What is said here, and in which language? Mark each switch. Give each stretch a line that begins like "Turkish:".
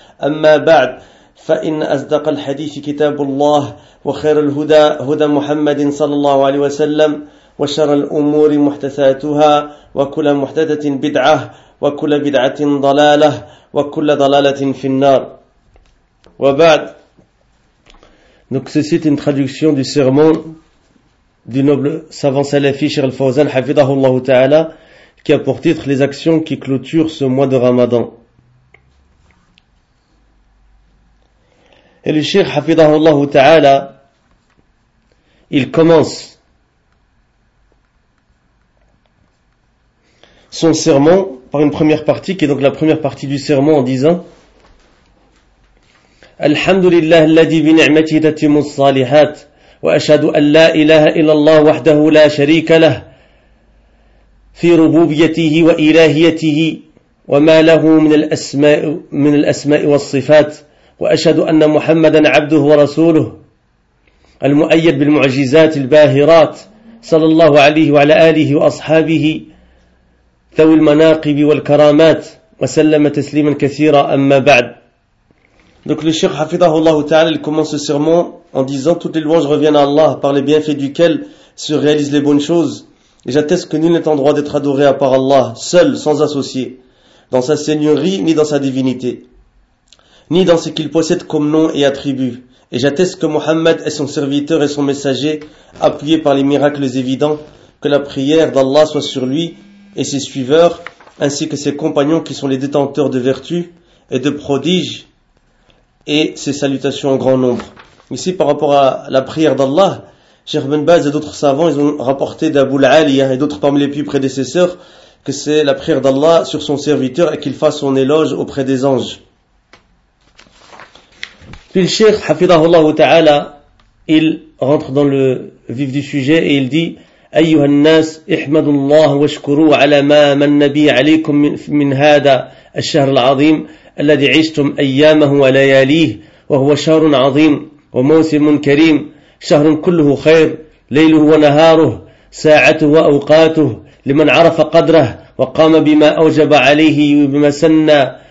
Arabic: أما بعد، فإن أصدق الحديث كتاب الله، وخير الهدى هدى محمد صلى الله عليه وسلم، وشر الأمور محدثاتها، وكل محدثة بدعة، وكل بدعة ضلالة، وكل ضلالة في النار. وبعد.
French: Donc ceci est une traduction du sermon du noble savant salafi Cheikh Al-Fawzan hafidhahullah ta'ala, qui a pour titre les actions qui clôturent ce mois de Ramadan. Et le Cheikh hafidhahullah ta'ala, il commence son sermon par une première partie, qui est donc la première partie du sermon, en disant:
Arabic: الحمد لله الذي بنعمته تتم الصالحات، وأشهد أن لا إله إلا الله وحده لا شريك له في ربوبيته وإلهيته وما له من الأسماء والصفات، وأشهد أن محمدا عبده ورسوله المؤيد بالمعجزات الباهرات، صلى الله عليه وعلى آله وأصحابه ذوي المناقب والكرامات، وسلم تسليما كثيرا. أما بعد.
French: Donc le Cheikh Hafidhahullah Ta'ala, il commence ce sermon en disant: toutes les louanges reviennent à Allah par les bienfaits duquel se réalisent les bonnes choses. Et j'atteste que nul n'est en droit d'être adoré à part Allah, seul, sans associé, dans sa seigneurie, ni dans sa divinité, ni dans ce qu'il possède comme nom et attribut. Et j'atteste que Muhammad est son serviteur et son messager, appuyé par les miracles évidents, que la prière d'Allah soit sur lui et ses suiveurs, ainsi que ses compagnons qui sont les détenteurs de vertus et de prodiges, et ses salutations en grand nombre. Ici, par rapport à la prière d'Allah, Cheikh Ibn Baz et d'autres savants, ils ont rapporté d'Abu Al-Aliya et d'autres parmi les plus prédécesseurs, que c'est la prière d'Allah sur son serviteur et qu'il fasse son éloge auprès des anges. Puis le Cheikh, hafidhahullah ta'ala, il rentre dans le vif du sujet et il dit:
Arabic: Ayyuhan nas, ihmadullah wa shkuru ala ma man nabi alaykum min hada al-shahr al-azim الذي عشتم أيامه ولياليه، وهو شهر عظيم وموسم كريم، شهر كله خير ليله ونهاره، ساعته وأوقاته، لمن عرف قدره وقام بما أوجب عليه وبما سن